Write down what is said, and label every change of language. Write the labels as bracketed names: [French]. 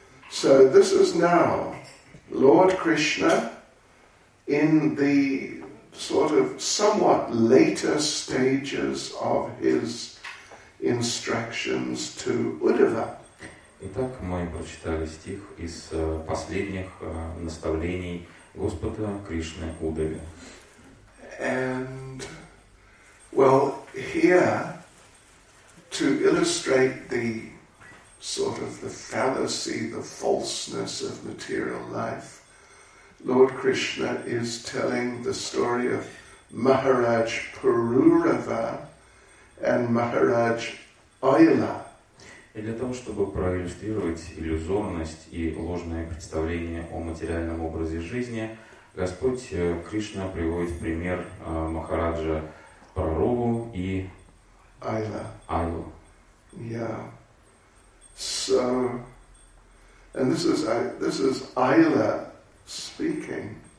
[English] So this is now Lord Krishna in the sort of somewhat later stages of his instructions to Uddhava. [Russian] Итак, мы прочитали стих из последних наставлений Господа Кришны Удаве. [English] And well, here to illustrate the sort of the fallacy, the falseness of material life, Lord Krishna is telling the story of Maharaj Pururava and Maharaj Ayala. [Russian] И для того, чтобы проиллюстрировать иллюзорность и ложное представление о материальном образе жизни, Господь Кришна приводит в пример Махараджа Прарубу и Айла. Айлу. [English] Yeah. So, and this is Айла speaking.